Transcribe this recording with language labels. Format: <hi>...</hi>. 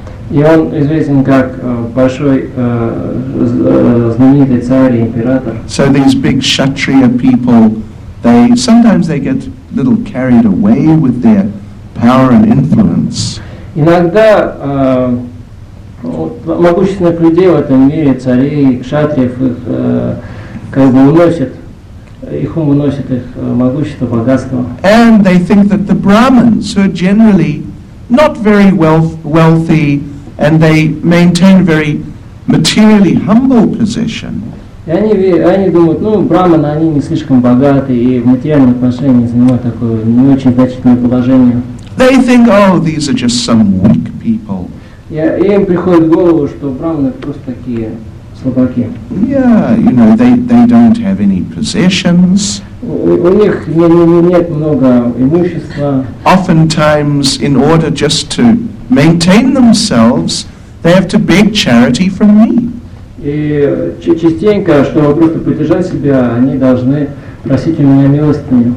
<ru>И он известен как большой знаменитый царь и император.</ru> <en>So these big kshatriya people, they sometimes they get a little carried away with their power and influence.</en> <ru>Иногда могущественных людей в этом мире, царей, кшатриев, их как бы уносят. Их ум уносит их могущество, богатство.</ru> <en>And they think that the Brahmins, who are generally not very wealthy, and they maintain a very materially humble position.</en> <ru>Они думают, ну, Брахманы, они не слишком богаты, и в материальном отношении занимают такое не очень значительное положение.</ru> <en>They think, oh, these are just some weak people.</en> <ru>И им приходит в голову, что Брахманы просто такие...</ru> <en>Yeah, you know, they don't have any possessions.</en> <ru>У них нет много имущества.</ru> <en>Oftentimes, in order just to maintain themselves, they have to beg charity from me.</en> <ru>И частенько, чтобы просто поддержать себя, они должны просить у меня милостыню.</ru>